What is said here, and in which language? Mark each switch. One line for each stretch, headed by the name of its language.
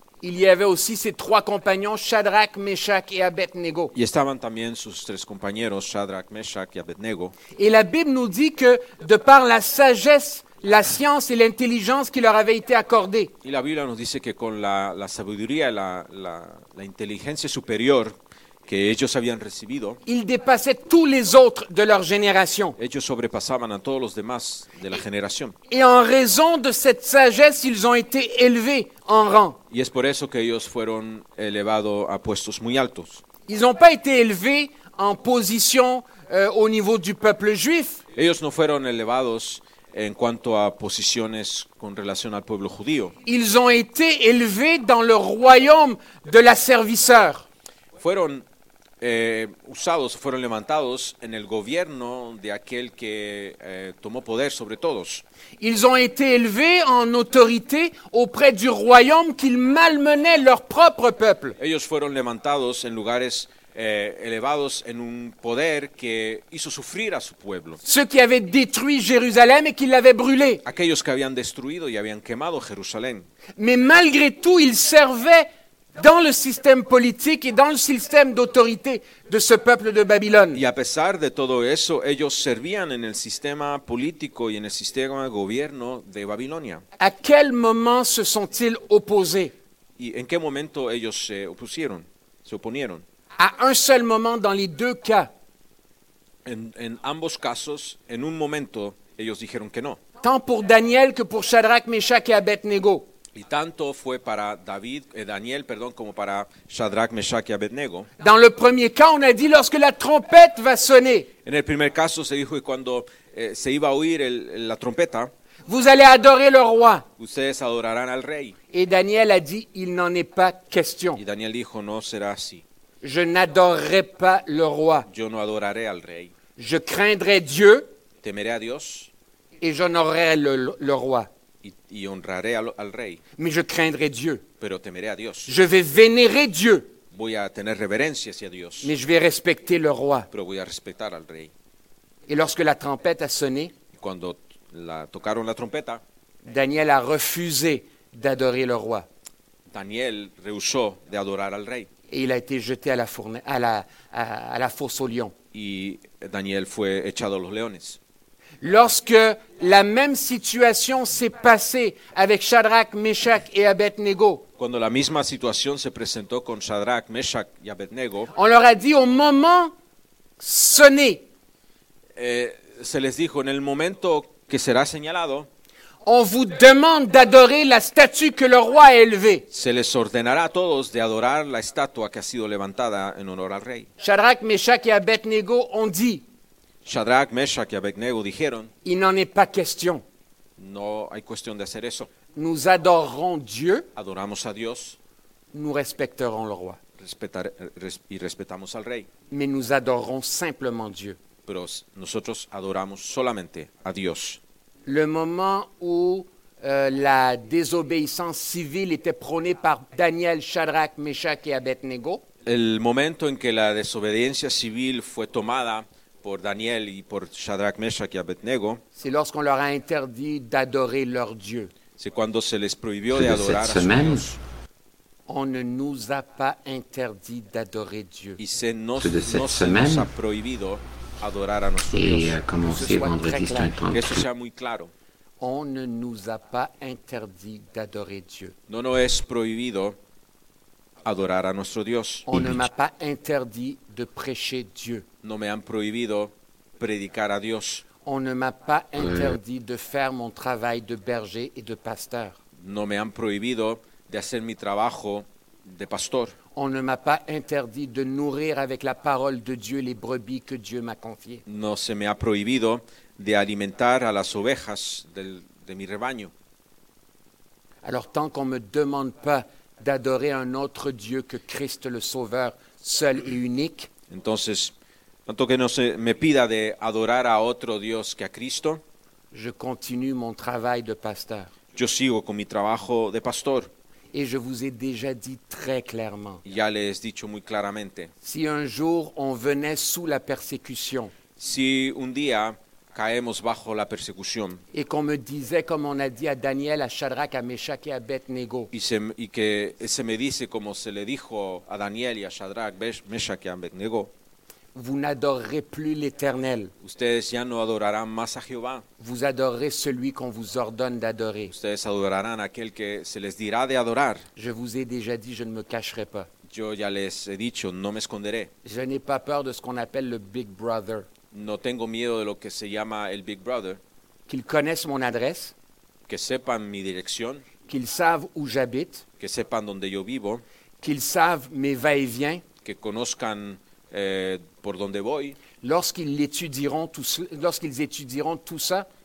French: Il y avait aussi ses trois compagnons, Shadrach, Meshach et Abednego.
Spanish: Y estaban también sus tres compañeros, Shadrach, Meshach y Abednego.
French: Et la Bible nous dit que de par la sagesse, la science et l'intelligence qui leur avait été accordée.
Spanish: Y la Biblia nos dice que con la sabiduría y la inteligencia superior que ellos habían recibido,
French: ils dépassaient tous les autres de leur génération.
Spanish: Ellos sobrepasaban a todos los demás de la generación.
French: Et en raison de cette sagesse, ils ont été élevés en rang.
Spanish: Y es por eso que ellos fueron elevados a puestos muy altos.
French: Ils n'ont pas été élevés en position au niveau du peuple juif.
Spanish: Ellos no fueron elevados en cuanto a posiciones con relación al pueblo judío.
French: Ils ont été élevés dans le royaume de la serviteur.
Spanish: Fueron usados, fueron levantados en el gobierno de aquel que tomó poder sobre todos.
French: Ils ont été élevés en autorité auprès du royaume qu'il malmenait leur propre peuple.
Spanish: Ellos fueron levantados en lugares elevados en un poder que hizo sufrir a su pueblo.
French: Ceux qui avaient détruit Jérusalem et qui l'avaient brûlé.
Spanish: Aquellos que habían destruido y habían quemado Jerusalén.
French: Mais malgré tout, ils servaient dans le système politique et dans le système d'autorité de ce peuple de Babylone.
Spanish: Y a pesar de todo eso, ellos servían en el sistema político y en el sistema de gobierno de Babilonia.
French: À quel moment se sont-ils opposés?
Spanish: Y en qué momento ellos se opusieron?
French: À un seul moment dans les deux cas.
Spanish: En ambos casos, en un momento, ellos dijeron que no.
French: Tant pour Daniel que pour Shadrach, Meshach et Abednego.
Spanish: Y tanto fue para Daniel, como para Shadrach, Meshach y Abednego.
French: Dans le premier cas, on a dit lorsque la trompette va sonner.
Spanish: En el primer caso se dijo que cuando se iba a oír la trompeta.
French: Vous allez adorer le roi.
Spanish: Ustedes adorarán al rey.
French: Et Daniel a dit, il n'en est pas question.
Spanish: Y Daniel dijo, no será así.
French: Je n'adorerai pas le roi.
Spanish: Yo no adoraré al rey.
French: Je craindrai Dieu.
Spanish: Temeré a Dios.
French: Et j'honorerai le roi.
Spanish: Y honraré al rey.
French: Mais je craindrai Dieu.
Spanish: Pero temeré a Dios.
French: Je vais vénérer Dieu.
Spanish: Voy a tener reverencia hacia Dios.
French: Mais je vais respecter le roi.
Spanish: Pero voy a respetar al rey.
French: Et lorsque la trompette a sonné,
Spanish: cuando tocaron la trompeta,
French: Daniel a refusé d'adorer le roi.
Spanish: Daniel rehusó de adorar al rey.
French: Et il a été jeté à la fosse aux lions.
Spanish: Y Daniel fue echado a los leones.
French: Lorsque la même situation s'est passée avec Shadrach, Meshach et Abednego.
Spanish: Cuando la misma situación se presentó con Shadrach, Meshach y Abednego.
French: On leur a dit au moment sonné.
Spanish: Se les dijo en el momento que será señalado.
French: On vous demande d'adorer la statue que le roi a élevée.
Spanish: Se les ordenará a todos de adorar la estatua que ha sido levantada en honor al rey.
French: Shadrach, Meshach et Abednego ont dit.
Spanish: Shadrach, Meshach y Abednego dijeron.
French: Il n'en est pas question.
Spanish: No hay cuestión de hacer eso.
French: Nous adorerons Dieu.
Spanish: Adoramos a Dios.
French: Nous respecterons le roi.
Spanish: Respetamos al rey.
French: Mais nous adorerons simplement Dieu.
Spanish: Pero nosotros adoramos solamente a Dios.
French: Le moment où la désobéissance civile était prônée par Daniel, Shadrach, Meshach et Abednego.
Spanish: El momento en que la desobediencia civil fue tomada por Daniel y por Shadrach, Meshach y Abednego.
French: C'est lorsqu'on leur a interdit d'adorer leur Dieu. C'est
Spanish: cuando se les prohibió de adorar a su Dios.
French: On ne nous a pas interdit d'adorer Dieu.
Spanish: Y se nos ha prohibido adorar a nuestro
French: Dios. Y a commencé vendredi 2030.
Spanish: Que eso sea muy claro.
French: On ne nous a pas interdit d'adorer Dieu.
Spanish: No nos es prohibido adorar a nuestro Dios.
French: On ne m'a pas interdit de prêcher Dieu.
Spanish: No me han prohibido predicar a Dios.
French: On ne m'a pas interdit de faire mon travail de berger et de pasteur.
Spanish: No me han prohibido de hacer mi trabajo de pastor.
French: On ne m'a pas interdit de nourrir avec la parole de Dieu les brebis que Dieu m'a confiées.
Spanish: No se me ha prohibido de alimentar a las ovejas de mi rebaño.
French: Alors tant qu'on ne me demande pas d'adorer un autre Dieu que Christ le Sauveur, seul et unique,
Spanish: entonces, tanto que no se me pida de adorar a otro Dios que a Cristo,
French: je continue mon travail de pasteur.
Spanish: Yo sigo con mi trabajo de pastor.
French: Et je vous ai déjà dit très clairement.
Spanish: Ya les he dicho muy claramente.
French: Si un jour on venait sous la persécution.
Spanish: Si un día caemos bajo la persecución.
French: Et qu'on me disait comme on a dit à Daniel, à Shadrach, à Meshach et à Abednego.
Spanish: Y se me dice como se le dijo a Daniel y a Shadrach, Meshach y Abednego.
French: Vous n'adorerez plus l'Éternel.
Spanish: Ustedes ya no adorarán más a Jehová.
French: Vous adorerez celui qu'on vous ordonne d'adorer.
Spanish: Ustedes adorarán aquel que se les dira de adorar.
French: Je vous ai déjà dit, je ne me cacherai pas.
Spanish: Yo ya les he dicho, no me esconderé.
French: Je n'ai pas peur de ce qu'on appelle le Big Brother.
Spanish: No tengo miedo de lo que se llama el Big Brother.
French: Qu'ils connaissent mon adresse.
Spanish: Que sepan mi dirección.
French: Qu'ils savent où j'habite.
Spanish: Que sepan donde yo vivo.
French: Qu'ils savent mes va-et-vient.
Spanish: Que conozcan por donde voy.
French: Lorsqu'ils étudieront tout ça,